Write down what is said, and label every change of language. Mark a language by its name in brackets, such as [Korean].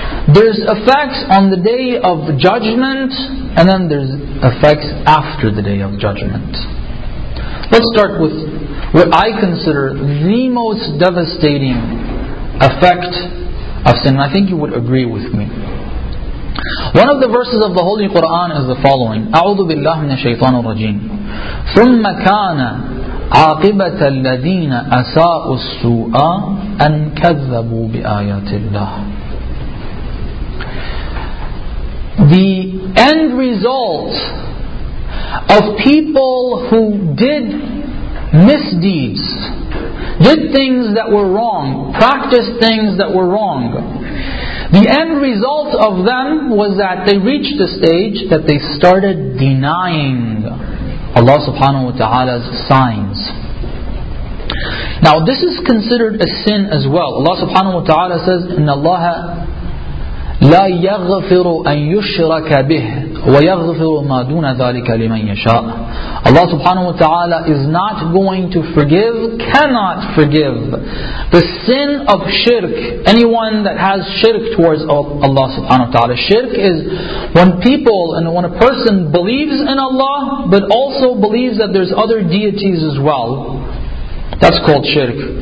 [English] There's effects on the day of judgment. And then there's effects after the day of judgment. Let's start with what I consider the most devastating effect of sin. I think you would agree with me. One of the verses of the Holy Quran is the following: [Arabic] أَعُوذُ بِاللَّهِ مِنَ الشَّيْطَانِ الرَّجِيمِ ثُمَّ كَانَ عَاقِبَةَ الَّذِينَ أَسَاءُوا السُّوءَ أَنْ كَذَّبُوا بِآيَاتِ اللَّهِ. [English] The end result of people who did misdeeds, did things that were wrong, practiced things that were wrong, the end result of them was that they reached the stage that they started denying Allah subhanahu wa ta'ala's signs. Now this is considered a sin as well. Allah subhanahu wa ta'ala says, [Arabic] إِنَّ اللَّهَ لا يغفر أن يشرك به ويغفر ما دون ذلك لمن يشاء. [English] Allah subhanahu wa ta'ala is not going to forgive, cannot forgive the sin of shirk, anyone that has shirk towards Allah subhanahu wa ta'ala. Shirk is when people and when a person believes in Allah but also believes that there's other deities as well. That's called shirk.